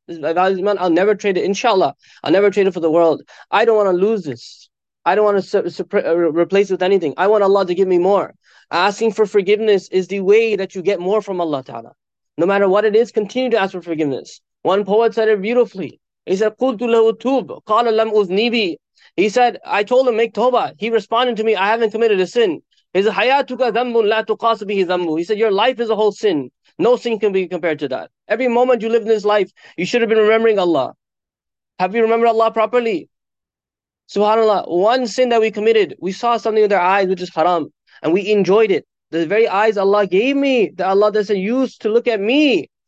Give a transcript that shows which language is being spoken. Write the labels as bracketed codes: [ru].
[en] This value of iman, I'll never trade it, inshallah. I'll never trade it for the world. I don't want to lose this. I don't want to replace it with anything. I want Allah to give me more. Asking for forgiveness is the way that you get more from Allah Ta'ala. No matter what it is, continue to ask for forgiveness. One poet said it beautifully. He said, [ar] قُلْتُ لَهُ تُوبُ قَالَ لَمْ أُذْنِبِي. [en] He said, I told him, make tawbah. He responded to me, I haven't committed a sin. He said, [ar] حَيَاتُكَ ذَنْبٌ لَا تُقَاسُ بِهِ ذَنْبُ. [en] He said, your life is a whole sin. No sin can be compared to that. Every moment you live in this life, you should have been remembering Allah. Have you remembered Allah properly? SubhanAllah, one sin that we committed, we saw something with our eyes, which is haram, and we enjoyed it. The very eyes Allah gave me, that Allah doesn't use to look at me.